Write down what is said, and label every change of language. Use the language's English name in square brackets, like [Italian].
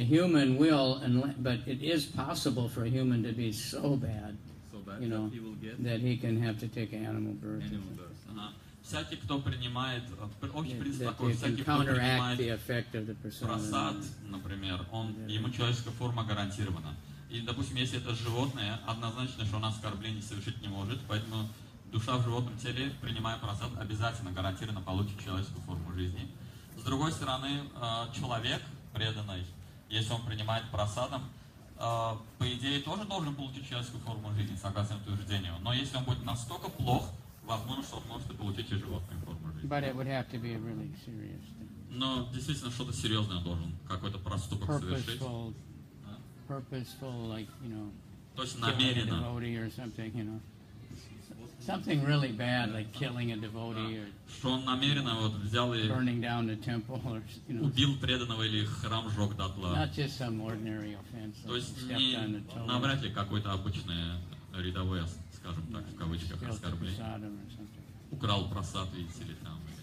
[English] A human will, but it is possible for a human to be so bad, you know, that he can have to take an animal birth. [Russian] Всякий, кто принимает, общий принцип такой, всякий, кто принимает прасад, например, он, ему человеческая форма гарантирована. И, допустим, если это животное, однозначно, что оно оскорблений совершить не может, поэтому душа в животном теле, принимая прасад, обязательно, гарантированно получит человеческую форму жизни. С другой стороны, человек преданный, если он принимает прасадом, по идее, тоже должен получить человеческую форму жизни, согласно утверждению. Но если он будет настолько плох, возможно, что он может и получить и животную форму жизни. [English] But it would have to be a really serious thing. [Russian] Но действительно что-то серьезное должен, какой-то проступок [English] purposeful [Russian] совершить. [English] Purposeful, like, you know, [Russian] то есть намеренно. [English] Killing a devotee or something, you know. Something really bad, like killing a devotee or [Russian] что он намеренно вот взял и [English] burning down the temple or, you know, [Russian] убил преданного или храм сжег дотла. [English] Not just some ordinary offense. [Russian] То есть навряд ли какой-то обычный рядовой оскорбление. Скажем так, в кавычках, оскорбление. Украл прасад, видите ли, там.